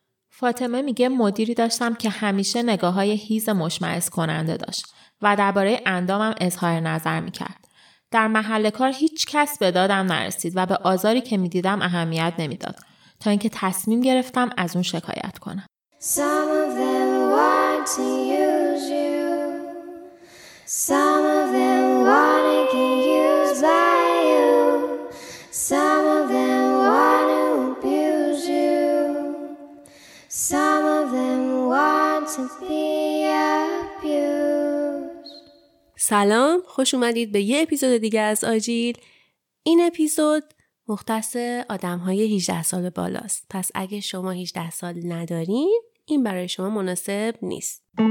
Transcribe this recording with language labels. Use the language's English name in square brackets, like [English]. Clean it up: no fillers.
[Persian] فاطمه میگه مدیری داشتم که همیشه نگاه‌های هیز مشمئز کننده داشت و درباره اندامم اظهار نظر میکرد. در محل کار هیچ کس به دادم نرسید و به آزاری که میدیدم اهمیت نمیداد تا اینکه تصمیم گرفتم از اون شکایت کنم. [English] Some of them want to use you. Some of them want to get used by you. Some of them want to abuse you. Some of them want to be abused. [Persian] سلام، خوش اومدید به یه اپیزود دیگه از آجیل. این اپیزود مختص آدم‌های 18 سال بالاست. پس اگه شما 18 سال ندارین، این برای شما مناسب نیست.